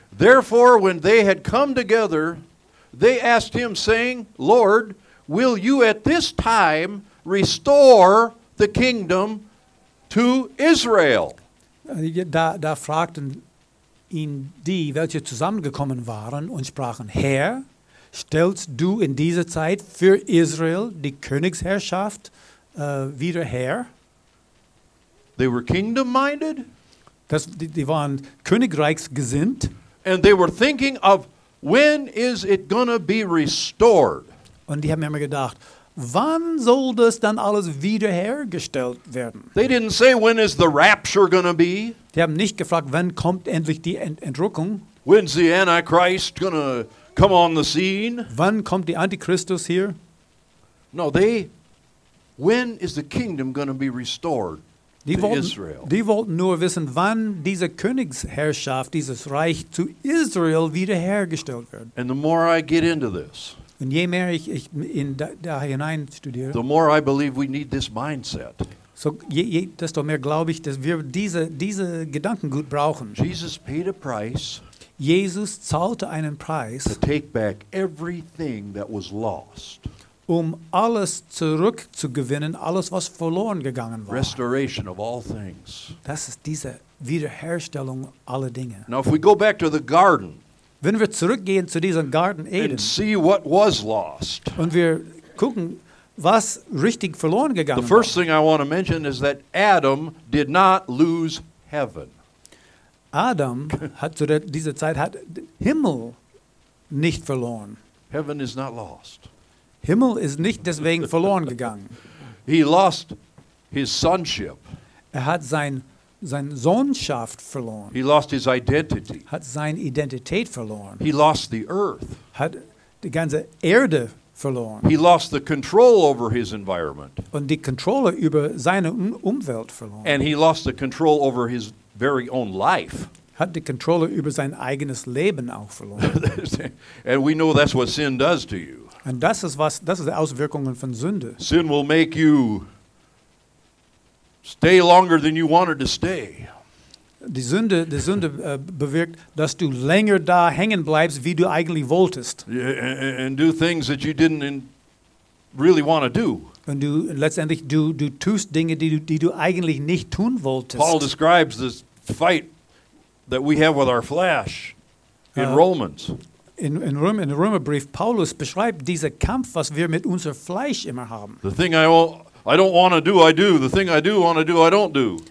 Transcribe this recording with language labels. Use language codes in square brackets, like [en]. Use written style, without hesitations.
[en] Therefore, when they had come together, they asked him, saying, Lord, will you at this time restore the kingdom to Israel? [de] Da fragten ihn die, welche zusammengekommen waren, und sprachen, Herr, stellst du in dieser Zeit für Israel die Königsherrschaft wieder her? [en] They were kingdom-minded. [de] Die waren königreichsgesinnt. [en] And they were thinking of, when is it going to be restored? [de] Und die haben immer gedacht, wann soll das dann alles wiederhergestellt werden? [en] They didn't say, when is the rapture going to be? [de] Die haben nicht gefragt, wann kommt endlich die Entrückung? [en] When's the Antichrist going to come on the scene? [de] Wann kommt die Antichristus hier? [en] No, they, when is the kingdom going to be restored to Israel? [de] Die wollten nur wissen, wann diese Königsherrschaft, dieses Reich zu Israel wiederhergestellt wird. [en] And the more I get into this, [de] und je mehr ich in da hinein studiere, [en] the more I believe we need this mindset. [de] So je desto mehr glaube ich, dass wir diese Gedanken gut brauchen. [en] Jesus paid a price. [de] Jesus zahlte einen Preis. [en] To take back everything that was lost. [de] Um alles zurückzugewinnen, alles was verloren gegangen war. [en] Restoration of all things. [de] Das ist diese Wiederherstellung aller Dinge. [en] Now if we go back to the garden. [de] Wenn wir zurückgehen zu diesem Garten Eden. [en] And see what was lost. [de] Und wir gucken, was richtig verloren gegangen war. [en] The first thing I want to mention is that Adam did not lose heaven. [de] Adam hat zu dieser Zeit hat Himmel nicht verloren. [en] Heaven is not lost. [de] Himmel ist nicht deswegen verloren gegangen. [en] He lost his sonship. [de] Er hat sein Sohnschaft verloren. [en] He lost his identity. [de] Hat seine Identität verloren. [en] He lost the earth. [de] Hat die ganze Erde verloren. [en] He lost the control over his environment. [de] Und die Kontrolle über seine Umwelt verloren. [en] And he lost the control over his very own life. [de] Hat die Kontrolle über sein eigenes Leben auch verloren. [en] And we know that's what sin does to you. [de] Und das ist die Auswirkungen von Sünde. [en] Sin will make you stay longer than you wanted to stay. [de] Die Sünde bewirkt, dass du länger da hängen bleibst, wie du eigentlich wolltest. [en] And do things that you didn't really want to do. [de] Und du letztendlich du tust Dinge, die du eigentlich nicht tun wolltest. [en] Paul describes this fight that we have with our flesh in Romans. [de] In Römerbrief, Paulus beschreibt diesen Kampf, was wir mit unserem Fleisch immer haben. [en] The thing I don't want to do, I do. The thing I do want to do, I don't do.